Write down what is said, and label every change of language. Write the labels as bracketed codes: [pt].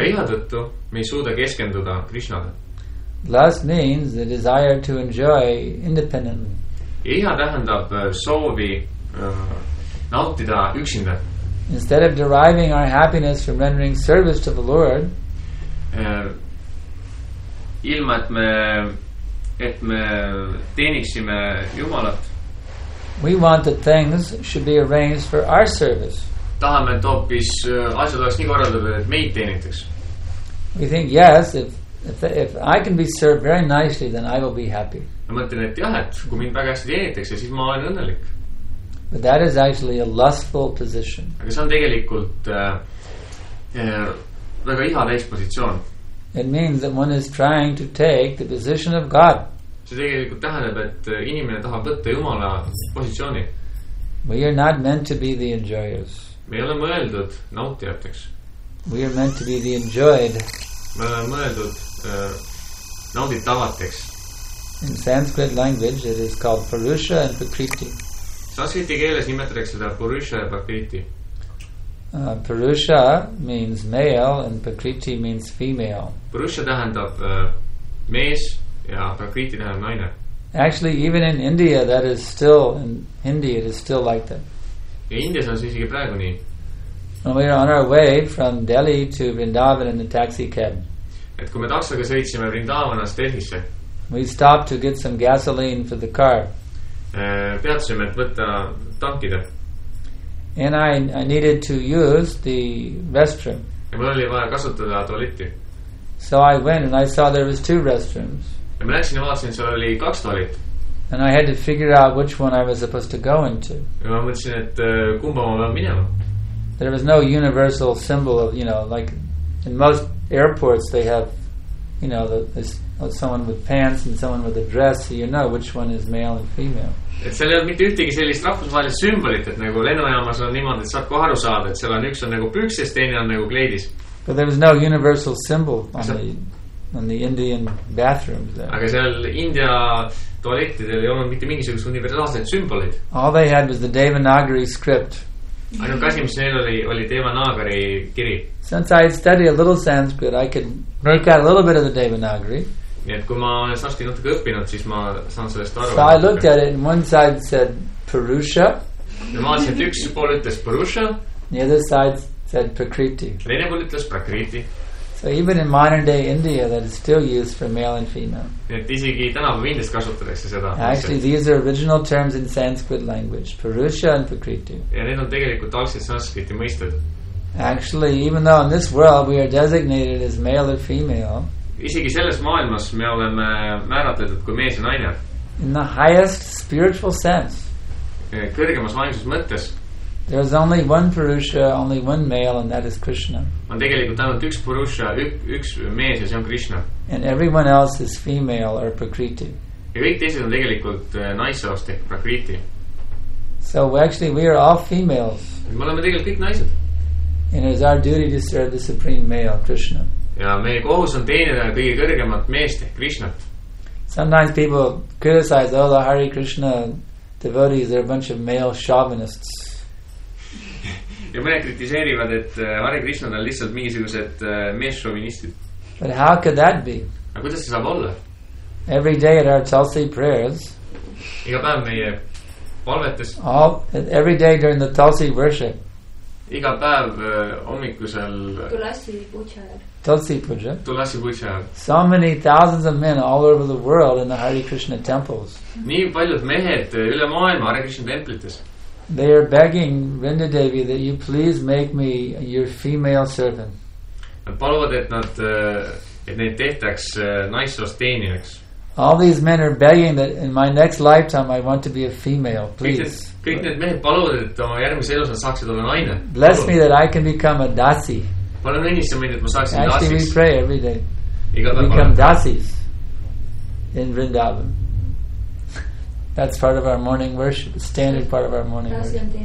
[et] Ja iha tõttu me ei suuda keskenduda Krishnale. [en] Lust means the desire to enjoy independently. [et] Ja iha tähendab soovi nautida üksinda. [en] Instead of deriving our happiness from rendering service to the Lord, [et] ilma, et me teeniksime Jumalat. [en] We want that things should be arranged for our service. [et] tahame, et hoopis asjad oleks nii korraldada, et meid teenitaks. [en] We think, yes, if I can be served very nicely, then I will be happy. [et] Ma mõtlen, et jah, et kui mind väga hästi teenitakse, siis ma olen õnnelik. [en] But that is actually a lustful position. [et] Aga see on tegelikult väga iha täis positsioon. [en] It means that one is trying to take the position of God. [et] See tegelikult tähendab, et inimene tahab võtta Jumala positsiooni. [en] We are not meant to be the enjoyers. [et] Me ei ole mõeldud nautijateks. [en] We are meant to be the enjoyed. [et] Me ei ole mõeldud nauditavateks. [en] In Sanskrit language it is called Purusha and Prakriti. [et] Sanskriti keeles nimetatakse seda Purusha ja Prakriti. [en] Purusha means male and Prakriti means female. [et] Purusha tähendab mees ja Prakriti tähendab naine. [en] Actually, even in India, that is still, in Hindi, it is still like that. [et] Ja Indias on siisigi praegu nii. [en] When we are on our way from Delhi to Vrindavan in the taxi cab. [et] Et kui me taksaga sõitsime Vrindavanas Delhisse. [en] We stopped to get some gasoline for the car. [et] Peatsime, et võtta tankida. [en] And I needed to use the restroom. [et] Ja mul oli vaja kasutada tualetti. [en] So I went and I saw there was two restrooms. [et] Ja ma läksin ja vaatasin, seal oli kaks tualett. [en] And I had to figure out which one I was supposed to go into. [et] Ja ma mõtlesin, et kumba ma pean minema. [en] There was no universal symbol of, you know, like in most airports they have, you know, someone with pants and someone with a dress, so you know which one is male and female. [et] Et seal ei olnud mitte ühtegi sellist rahvusvahelist sümbolit, et nagu lennujaamas on niimoodi, et saad kohe aru saada, et seal on üks on nagu püksis, teine on nagu kleidis. [en] But there was no universal symbol on the Indian bathrooms there. [et] Aga seal India toalettidel ei olnud mitte mingisugust universaalset sümbolit. [en] All they had was the Devanagari script. [et] Ainult kasi, mis neil oli Devanagari kiri. [en] Since I had studied a little Sanskrit, I could make out a little bit of the Devanagari. [et] Nii et kui ma olen sarsti natuke õppinud, siis ma saan sellest aru. [en] So I looked at it and one side said Purusha. [et] Ja ma olen, et üks pool ütles Purusha. [en] The other side said Prakriti. [et] Teine pool ütles Prakriti. [en] So even in modern day India that is still used for male and female. [et] Et isegi tänapäeva Indias kasutatakse seda. [en] Actually these are original terms in Sanskrit language. Purusha and Prakriti. [et] Ja need on tegelikult algselt sanskriti mõisted. [en] Actually even though in this world we are designated as male or female. [et] Isegi selles maailmas me oleme määratletud kui mees ja naine. [en] In the highest spiritual sense. [et] Kõrgemas vaimses mõttes. [en] There is only one Purusha, only one male, and that is Krishna. [et] On tegelikult ainult üks Purusha, üks mees ja see on Krishna. [en] And everyone else is female or Prakriti. [et] Ja kõik teised on tegelikult naisoost ehk Prakriti. [en] So actually we are all females. [et] Me oleme tegelikult kõik naised. [en] And it is our duty to serve the supreme male, Krishna. [et] Ja meie kohus on teenida kõige kõrgemat meest ehk Krishnat. [en] Sometimes people criticize all the Hare Krishna devotees, they're a bunch of male chauvinists. [et] Ja mõned kritiseerivad, et Hare Krishna on lihtsalt mingisugused meesšovinistid. [en] But how could that be? [et] Aga kuidas see saab olla? [en] Every day at our Tulsi prayers. [et] Iga päev meie palvetes. [en] Every day during the Tulsi worship. [et] Iga päev hommikusel. [sa] Tulsi puja. [en] So many thousands of men all over the world in the Hare Krishna temples. [et] Nii paljud mehed üle maailma Hare Krishna templites. [en] They are begging Vrindadevi that you please make me your female servant. [et] Nad paluvad, et neid tehtaks naissoost teenijaks. [en] All these men are begging that in my next lifetime I want to be a female, please. [et] Kõik need mehed paluvad, et oma järgmise elus nad saaksid olla naine. [en] Bless me that I can become a dasi. [et] Palun õnnista mind, et ma saaksin dasis. [en] Actually, we pray every day. [et] Iga päev [en] become dasis in Vrindavan. That's part of our morning worship, the standard part of our morning worship.